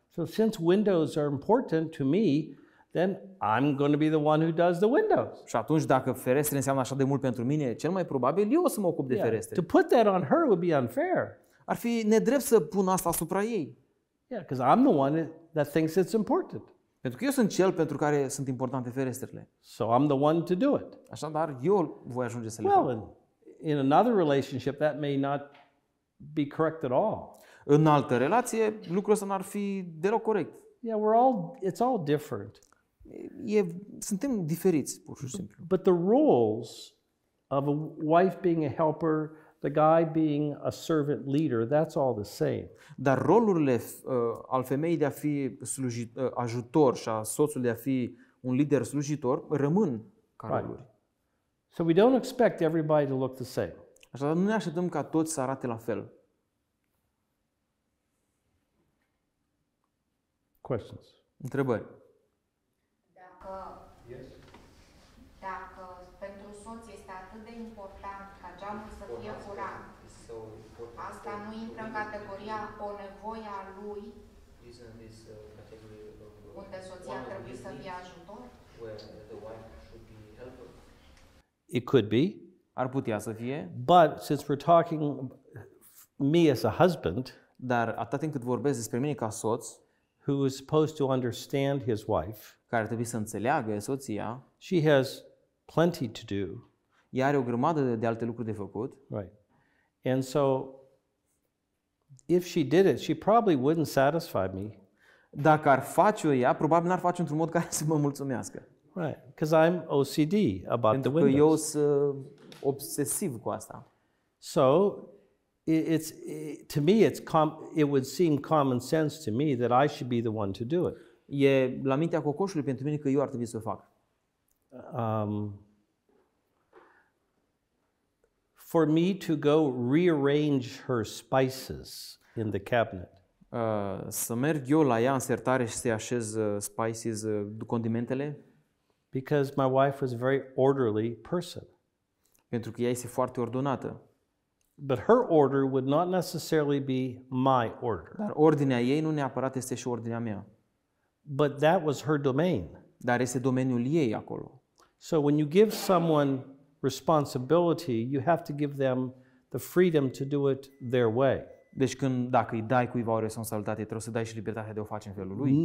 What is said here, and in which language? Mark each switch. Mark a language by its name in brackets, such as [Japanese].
[English] So since windows are important to me, then I'm going to be the one who does the windows. [Romanian] Și atunci dacă ferestre înseamnă așa de mult pentru mine, cel mai probabil eu o să mă ocup de ferestre. [English] To put that on her would be unfair. [Romanian] Ar fi nedrept să pun asta asupra ei. [English] Yeah, because I'm the one that thinks it's important. [Romanian] Pentru că eu sunt cel pentru care sunt importante ferestrele. [English] So I'm the one to do it. [Romanian] Așadar, eu voi ajunge să le [English] well, [Romanian] fac. [English] In another relationship, that may not be correct at all. [Romanian] În altă relație, lucrul ăsta n-ar fi deloc corect. [English] Yeah, we're all, it's all different. [Romanian] Suntem diferiți, pur și simplu. [English] But the roles of a wife being a helper, the guy being a servant leader, that's all the same. [Romanian] Dar rolurile al femeii de a fi ajutor și a soțului de a fi un lider slujitor rămân ca roluri. [English] So we don't expect everybody to look the same. [Romanian] Așadar, nu ne așteptăm ca toți să arate la fel. [English] Questions. [Romanian] Întrebări. Dacă, [English] yes. [Romanian] Dacă pentru soț este atât de important ca geamul să fie curat, asta nu intră în categoria o nevoie a lui, unde soția trebuie să fie ajutor? [English] It could be. [Romanian] Ar putea să fie. [English] But since we're talking me as a husband, [Romanian] dar atât timp cât vorbesc despre mine ca soț, [English] who is supposed to understand his wife, [Romanian] care ar trebui să înțeleagă soția, [English] she has plenty to do. [Romanian] Ea are o grămadă de alte lucruri de făcut. [English] Right. And so, if she did it, she probably wouldn't satisfy me. [Romanian] Dacă ar face-o ea, probabil n-ar face-o într-un mod care să mă mulțumească. [English] Right. Because I'm OCD about [Romanian] pentru [English] the windows. [Romanian] Pentru că eu sunt obsesiv cu asta. [English] So, it would seem common sense to me that I should be the one to do it. [Romanian] E la mintea cocoșului pentru mine că eu ar trebui să o fac. [English] For me to go rearrange her spices in the cabinet. [Romanian] Să merg eu la ea în sertare și să-i așez spices, condimentele. [English] Because my wife was a very orderly person. [Romanian] Pentru că ea este foarte ordonată. [English] But her order would not necessarily be my order. [Romanian] Dar ordinea ei nu neapărat este și ordinea mea. [English] But that was her domain. [Romanian] Dar este domeniul ei acolo. [English] So when you give someone responsibility, you have to give them the freedom to do it their way. [Romanian] Deci când dacă îi dai cuiva o responsabilitate, trebuie să dai și libertatea de a o face în felul lui.